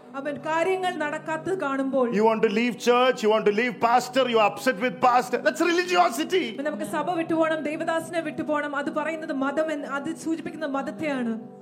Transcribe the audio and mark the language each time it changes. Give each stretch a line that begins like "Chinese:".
Malayalam: അവൻ കാര്യങ്ങൾ നടക്കാത്ത കാണുമ്പോൾ
English: you want to leave church, you want to leave pastor, you are upset with pastor, that's religiosity.
Malayalam: നമുക്ക് സഭ വിട്ടു പോണം, ദൈവദാസനെ വിട്ടു പോണം, അത് പറയുന്നത് മതം എന്ന് അത് സൂചിപ്പിക്കുന്ന മതത്തെയാണ്.